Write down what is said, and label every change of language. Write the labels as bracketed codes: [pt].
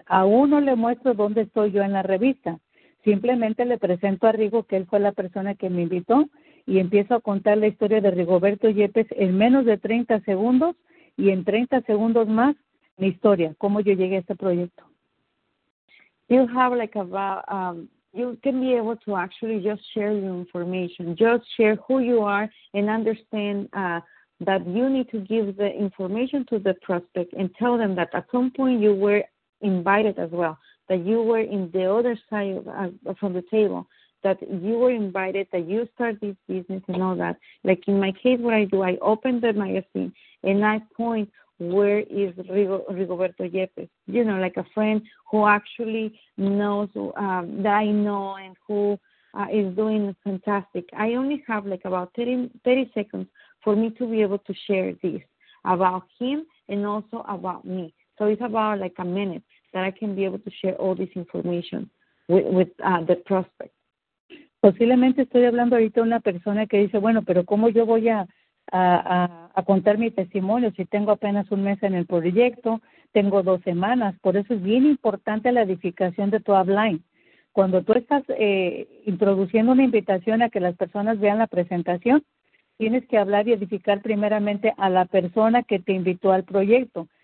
[es] Aún no le muestro dónde estoy yo en la revista. Simplemente le presento a Rigo que él fue la persona que me invitó y empiezo a contar la historia de Rigoberto Yepes en menos de 30 segundos y en 30 segundos más mi historia, cómo yo llegué a este proyecto. [en] You have like about, you can be able to actually just share your information, just share who you are and understand that you need to give the information to the prospect and tell them that at some point you were invited as well, that you were in the other side of, from the table, that you were invited, that you start this business and all that. Like in my case, what I do, I open the magazine and I point where is Rigoberto Yepes, you know, like a friend who actually knows that I know and who is doing fantastic. I only have like about 30 seconds for me to be able to share this about him and also about me. So it's about like a minute that I can be able to share all this information with the prospect. [es] Posiblemente estoy hablando ahorita a una persona que dice, bueno, pero ¿cómo yo voy a contar mi testimonio si tengo apenas un mes en el proyecto, tengo dos semanas? Por eso es bien importante la edificación de tu upline. Cuando tú estás introduciendo una invitación a que las personas vean la presentación, tienes que hablar y edificar primeramente a la persona que te invitó al proyecto.